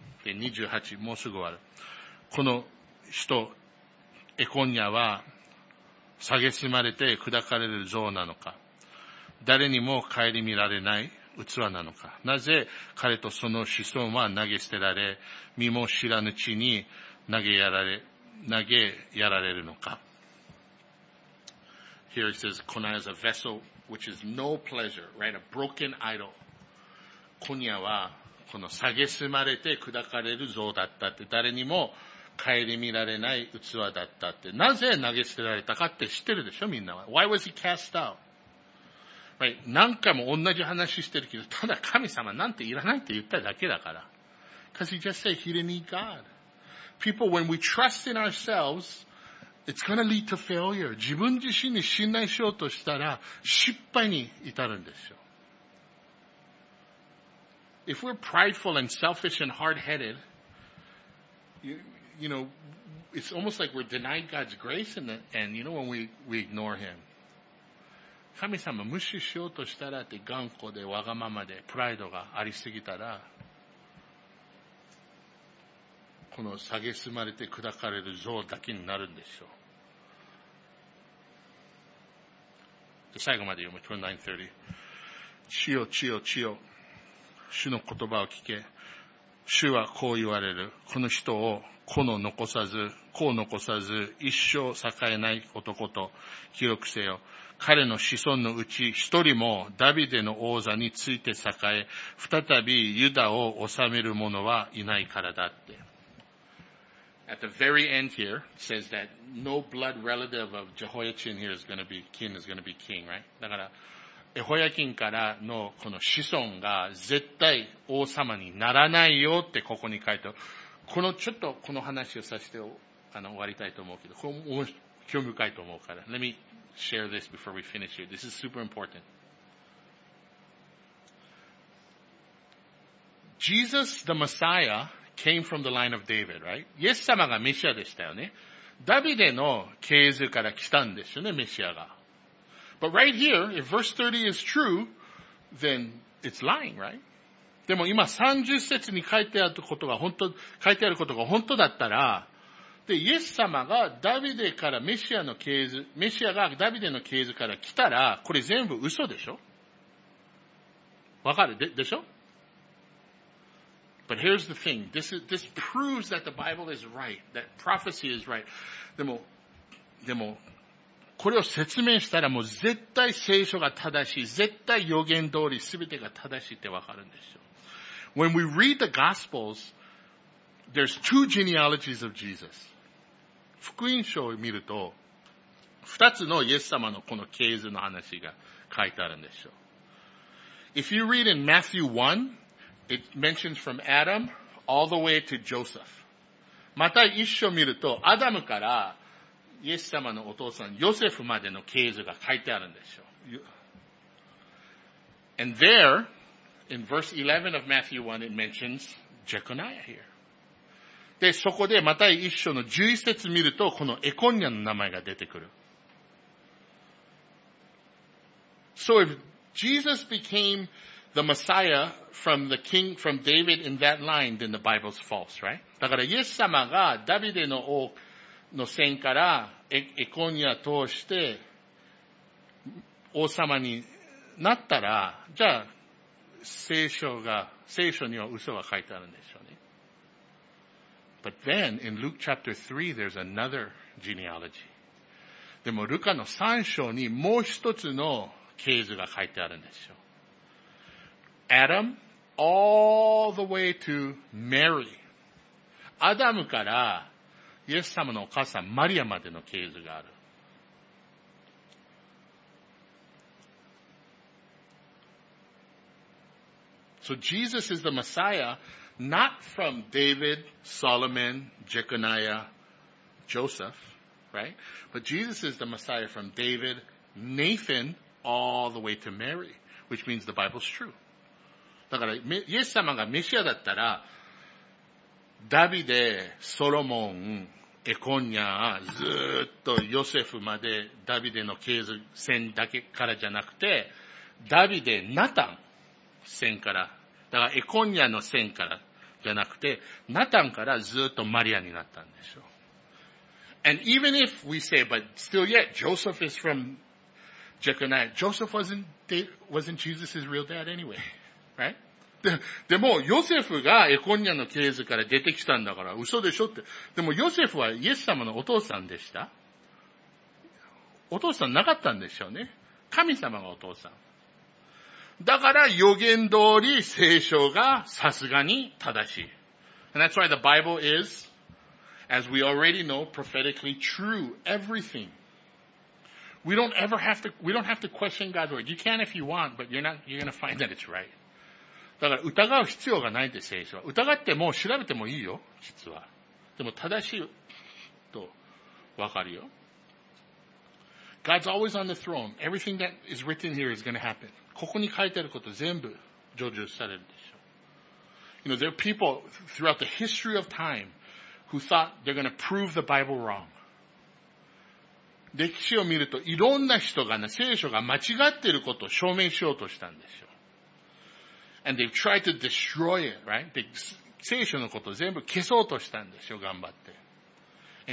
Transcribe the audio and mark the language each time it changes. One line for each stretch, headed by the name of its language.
Japanese: で、28、もうすぐ終わる。この人、エコニアは、蔑まれて砕かれる像なのか、誰にも顧みられない、器なのか。なぜ彼とその子孫は投げ捨てられ、身も知らぬ地に投げやられるのか。
English: Here he says, Coniah is a vessel which is no pleasure, right? A broken idol.
Japanese: Coniah はこの蔑まれて砕かれる像だったって、誰にも顧みられない器だったって。なぜ投げ捨てられたかって知ってるでしょ、みんなは。
English: Why was he cast out? Right.
Japanese: 何回も同じ話してるけど、ただ神様なんていらないって言っただけだから。
English: Cause he just said he didn't need God. People, when we trust in ourselves, it's gonna lead to failure.
Japanese: 自分自身に信頼しようとしたら、失敗に至るんですよ。
English: If we're prideful and selfish and hard-headed, you know, it's almost like we're denying God's grace and you know, when we ignore him.
Japanese: 神様無視しようとしたらって頑固でわがままでプライドがありすぎたら、この蔑まれて砕かれる像だけになるんでしょう。で最後まで読む、29:30。血を血を血を、主の言葉を聞け。主はこう言われる。この人を子の残さず、子を残さず、一生栄えない男と記録せよ。彼の子孫のうち一人もダビデの王座について栄え、再びユダを治める者はいないからだって。
English: At the very end here, it says that no blood relative of Jehoiachin here is going to be king, right?
Japanese: だから、エホヤキンからのこの子孫が絶対王様にならないよってここに書いてある。このちょっとこの話をさせて終わりたいと思うけど、これも興味深いと思うから。
English: Let meShare this before we finish here. This is super important. Jesus, the Messiah, came from the line of David, right?
Japanese: イエス様がメシアでしたよね。ダビデの系図から来たんですよね、メシアが。
English: But right here, if verse 30 is true, then it's lying, right?
Japanese: でも今30節に書いてあることが本当、書いてあることが本当だったら、で、イエス様がダビデからメシアの系図、メシアがダビデの系図から来たら、これ全部嘘でしょ？わかる？でしょ？
English: But here's the thing. This proves that the Bible is right. That prophecy is right.
Japanese: でも、これを説明したらもう絶対聖書が正しい。絶対予言通り全てが正しいってわかるんでしょ。
English: When we read the Gospels,There's two genealogies of Jesus.
Japanese: 福音書を見ると、二つのイエス様のこの系図の話が書いてあるんでしょう。
English: If you read in Matthew 1, it mentions from Adam all the way to Joseph.
Japanese: また一章見ると、アダムからイエス様のお父さん、ヨセフまでの系図が書いてあるんでしょう。
English: And there, in verse 11 of Matthew 1, it mentions Jeconiah here.
Japanese: で、そこで、また一章の11節見ると、このエコニアの名前が出てくる。
English: So if Jesus became the Messiah from the king, from David in that line, then the Bible's false, right?
Japanese: だから、イエス様がダビデの王の線からエコニア通して王様になったら、じゃあ、聖書には嘘が書いてあるんでしょうね。
English: But then, in Luke chapter 3, there's another genealogy.
Japanese: でも、ルカの3章にもう一つの系図が書いてあるんですよ。
English: Adam, all the way to Mary.
Japanese: アダムから、イエス様のお母さん、マリアまでの系図がある。
English: So Jesus is the Messiah,Not from David, Solomon, Jeconiah, Joseph, right? But Jesus is the Messiah from David, Nathan, all the way to Mary, which means the Bible's true.
Japanese: だから、イエス様がメシアだったら、ダビデ、ソロモン、エコニア、ずーっとヨセフまでダビデの系図線だけからじゃなくて、ダビデ、ナタン線から、だからエコニアの線から、じゃなくて、ナタンからずっとマリアになったんでしょう。
English: And even if we say, but still yet, Joseph is from Jeconiah, Joseph wasn't Jesus' real dad anyway, right?
Japanese: でも、ヨセフがエコニアの系図から出てきたんだから嘘でしょって。でも、ヨセフはイエス様のお父さんでした。お父さんなかったんでしょうね。神様がお父さん。だから予言通り聖書がさすがに正しい。
English: And that's why the Bible is, as we already know, prophetically true. Everything. We don't have to question God's word. You can if you want, but you're gonna find that it's right.
Japanese: だから疑う必要がないんです、聖書は。疑っても調べてもいいよ、実は。でも正しいとわかるよ。
English: God's always on the throne. Everything that is written here is gonna happen.
Japanese: ここに書いてあること全部成就されるでしょう。
English: You know, there are people throughout the history of time who thought they're going to prove the Bible wrong.
Japanese: 歴史を見るといろんな人がね、聖書が間違っていることを証明しようとしたんですよ。
English: And they've tried to destroy it, right?
Japanese: で、聖書のことを全部消そうとしたんですよ、頑張って。